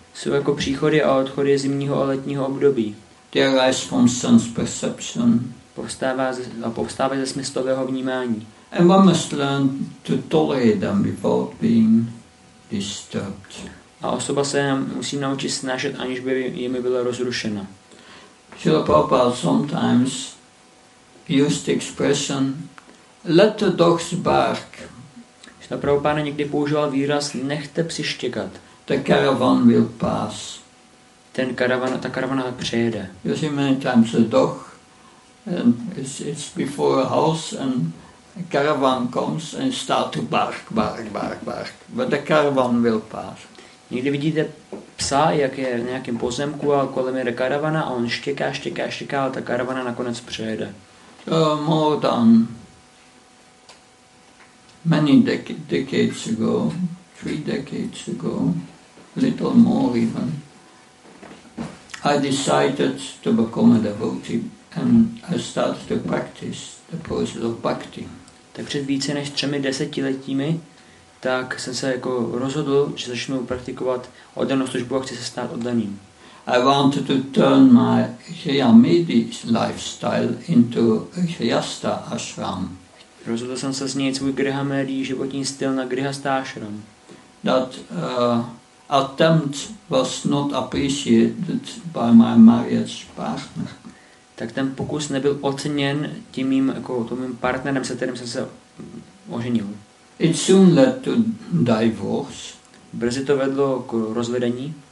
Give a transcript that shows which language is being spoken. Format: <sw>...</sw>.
<cs>Jsou jako příchody a odchody zimního a letního období.</cs> <en>They arise from sense perception.</en> <cs>Povstává ze smyslového vnímání.</cs> <en>And one must learn to tolerate them without being disturbed.</en> <cs>A osoba se musí naučit snažit, aniž by jimi byla rozrušena.</cs> <en>Srila Prabhupada sometimes used the expression let the dogs bark.</en> <cs>Srila Prabhupada někdy používal výraz nechte psi štěkat.</cs> <en>The caravan will pass.</en> <cs>Ta karavana přejede.</cs> <en>You see many times a dog and it's before a house and a caravan comes and start to bark, bark, bark, bark. But the caravan will pass.</en> <cs>Někdy vidíte psa, jak je v nějakém pozemku a kolem jede karavana a on štěká, štěká, štěká a ta karavana nakonec přejede.</cs> <en>More than many decades ago, 3 decades ago, little more even, I decided to become a devotee and I started to practice the process of bhakti.</en> <cs>Tak před více než 3 desetiletími tak jsem se jako rozhodl, že začnu praktikovat oddanou službu a chci se stát oddaným.</cs> <en>I wanted to turn my Hriyamidi lifestyle into a Hriyasta ashram.</en> <cs>Rozhodl jsem se změnit svůj Grihamedi životní styl na Grihasta ashram.</cs> <en>That attempt was not appreciated by my marriage partner.</en> <cs>Tak ten pokus nebyl oceněn tím mým, jako, tím mým partnerem, se kterým jsem se oženil.</cs> <en>It soon led to divorce.</en> <cs>Brzy to vedlo k rozvedení.</cs>